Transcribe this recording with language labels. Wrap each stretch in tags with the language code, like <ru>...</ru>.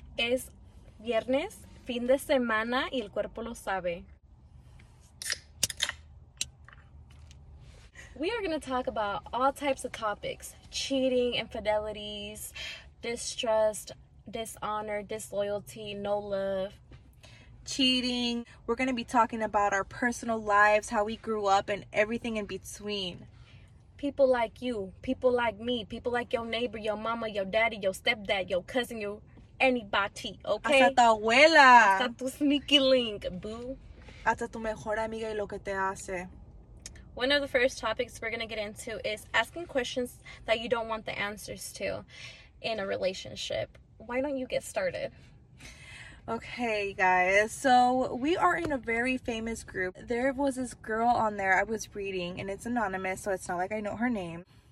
<es>Es viernes, fin de semana, y el cuerpo lo sabe.</es> <en>We are gonna talk about all types of topics. Cheating, infidelities, distrust, dishonor, disloyalty, no love, cheating. We're going to be talking about our personal lives, how we grew up, and everything in between. People like you, people like me, people like your neighbor, your mama, your daddy, your stepdad, your cousin, your anybody, okay?</en> <es>Hasta tu abuela. Hasta tu</es> <en>sneaky link, boo.</en> <es>Hasta tu mejor amiga y lo que te hace.</es> <en>One of the first topics we're going to get into is asking questions that you don't want the answers to in a relationship. Why don't you get started? Okay, guys. So we are in a very famous group. There was this girl on there I was reading, and it's anonymous, so it's not like I know her name.</en>